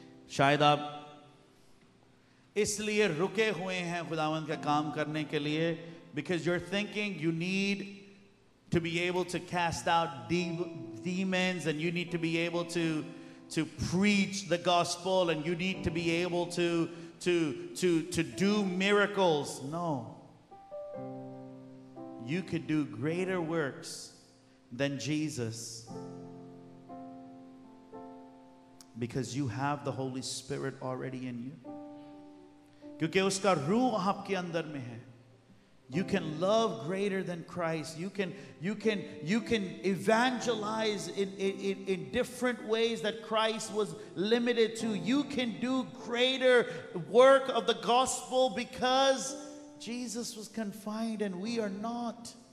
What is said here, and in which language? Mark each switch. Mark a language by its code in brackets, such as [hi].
[hi] Shayad aap इसलिए रुके हुए हैं खुदावंद का काम करने के लिए [en] because you're thinking you need to be able to cast out demons and you need to be able to preach the gospel and you need to be able to do miracles. No. You could do greater works than Jesus because you have the Holy Spirit already in you. [hi] क्योंकि उसका रूह आपके अंदर में है. [en] You can love greater than Christ. You can evangelize in different ways that Christ was limited to. You can do greater work of the gospel because Jesus was confined and we are not.